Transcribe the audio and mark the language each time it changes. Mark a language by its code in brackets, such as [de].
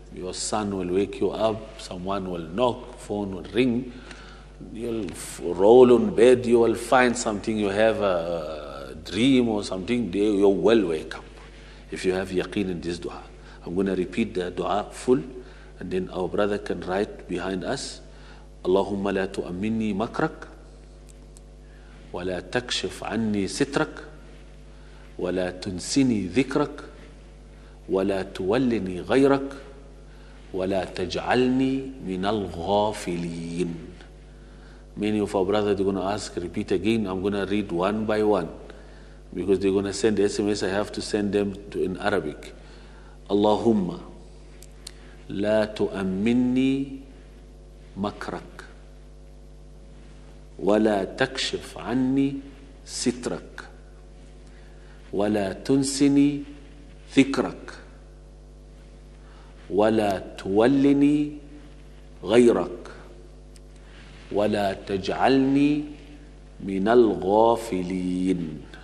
[en] Your son will wake you up. Someone will knock, phone will ring. You'll roll on bed. You will find something. You have a dream or something. You will wake up if you have yaqeen in this dua. I'm going to repeat the dua full, and then our brother can write behind us. [ar] اللهم لا تؤمني مكرك ولا تكشف عني سترك ولا تنسني ذكرك ولا تولني غيرك ولا تجعلني من الغافلين. [en] Many of our brothers are going to ask, repeat again. I'm going to read one by one. because they're going to send SMS. I have to send them to in Arabic. [ar] Allahumma la tu'amminni makrak wa la takshif anni sitrak wa la tunsini thikrak wa la tuwallini غيرك ولا تجعلني من الغافلين.